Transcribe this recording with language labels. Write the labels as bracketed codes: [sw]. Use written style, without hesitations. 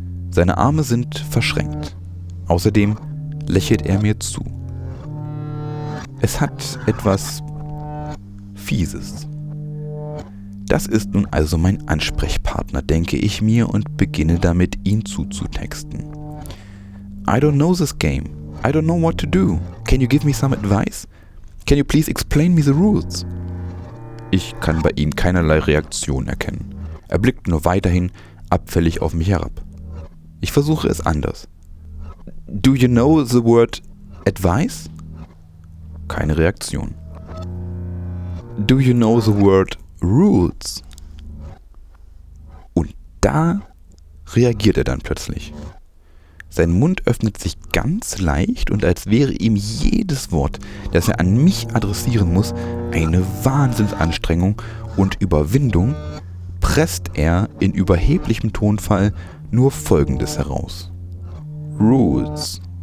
[de] Seine Arme sind verschränkt. Außerdem lächelt er mir zu. Es hat etwas Fieses. Das ist nun also mein Ansprechpartner, denke ich mir und beginne damit, ihn zuzutexten. [en] I don't know this game. I don't know what to do. Can you give me some advice? Can you please explain me the rules? [de] Ich kann bei ihm keinerlei Reaktion erkennen. Er blickt nur weiterhin abfällig auf mich herab. Ich versuche es anders. [en] Do you know the word advice? Keine Reaktion. Do you know the word Rules. [de] Und da reagiert er dann plötzlich. Sein Mund öffnet sich ganz leicht und als wäre ihm jedes Wort, das er an mich adressieren muss, eine Wahnsinnsanstrengung und Überwindung, presst er in überheblichem Tonfall nur Folgendes heraus. Rules.